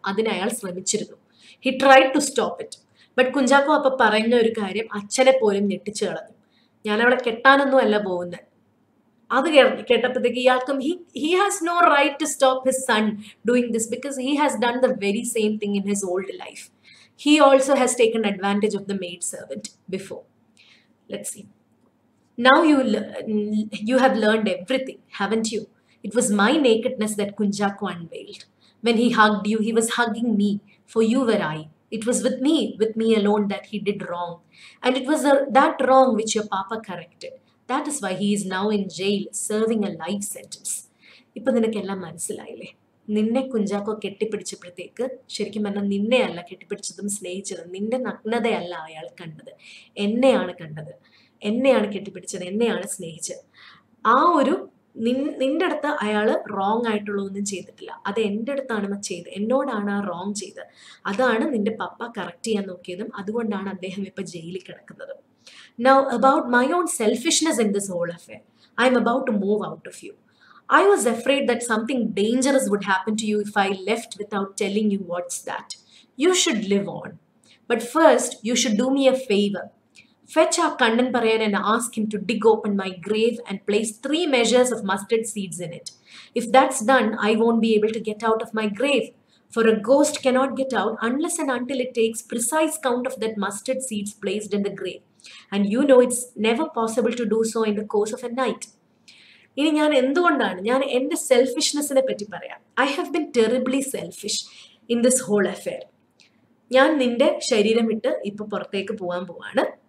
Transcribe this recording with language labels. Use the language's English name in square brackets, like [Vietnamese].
[Malayalam] അതിന് അയാൾ ശ്രമിച്ചിരുന്നു, [English] He tried to stop it. [Malayalam] But Kunchacko അപ്പം പറഞ്ഞ ഒരു കാര്യം അച്ഛനെ പോലും ഞെട്ടിച്ചു കളഞ്ഞു, ഞാനവിടെ കെട്ടാനൊന്നും അല്ല പോകുന്നത്. അത് കേട്ടപ്പോഴത്തേക്ക് ഇയാൾക്കും [English] He has no right to stop his son doing this because he has done the very same thing in his old life. He also has taken advantage of the maid servant before. Let's see. Now you have learned everything, haven't you? It was my nakedness that Kunjaku unveiled. When he hugged you, he was hugging me, for you were I. It was with me alone that he did wrong. And it was that wrong which your papa corrected. That is why he is now in jail, serving a life sentence. [Malayalam] Ippa ninakkella manasilayile. നിന്നെ കുഞ്ചാക്കോ കെട്ടിപ്പിടിച്ചപ്പോഴത്തേക്ക് ശരിക്കും പറഞ്ഞാൽ നിന്നെയല്ല കെട്ടിപ്പിടിച്ചതും സ്നേഹിച്ചതും, നിന്റെ നഗ്നതയല്ല അയാൾ കണ്ടത്, എന്നെയാണ് കണ്ടത്, എന്നെയാണ് കെട്ടിപ്പിടിച്ചത്, എന്നെയാണ് സ്നേഹിച്ചത്. ആ ഒരു നിന്റെ അടുത്ത് അയാൾ റോങ് ആയിട്ടുള്ളതൊന്നും ചെയ്തിട്ടില്ല, അത് എൻ്റെ അടുത്താണ് ചെയ്ത്, എന്നോടാണ് ആ റോങ് ചെയ്ത്, അതാണ് നിന്റെ പപ്പ കറക്റ്റ് ചെയ്യാൻ നോക്കിയതും, അതുകൊണ്ടാണ് അദ്ദേഹം ഇപ്പം ജയിലിൽ കിടക്കുന്നത്. [English] Now about my own selfishness in this whole affair, I am about to move out of you. I was afraid that something dangerous would happen to you if I left without telling you what's that. You should live on. But first, you should do me a favor. Fetch our Kandan Parayan and ask him to dig open my grave and place 3 measures of mustard seeds in it. If that's done, I won't be able to get out of my grave. For a ghost cannot get out unless and until it takes precise count of that mustard seeds placed in the grave. And you know it's never possible to do so in the course of a night. [Malayalam] ഇനി ഞാൻ എന്തുകൊണ്ടാണ്, ഞാൻ എൻ്റെ സെൽഫിഷ്നെസ്സിനെ പറ്റി പറയാം. [English] I have been terribly selfish in this whole affair. [Malayalam] ഞാൻ നിന്റെ ശരീരം വിട്ട് ഇപ്പോൾ പുറത്തേക്ക് പോകാൻ പോവാണ്.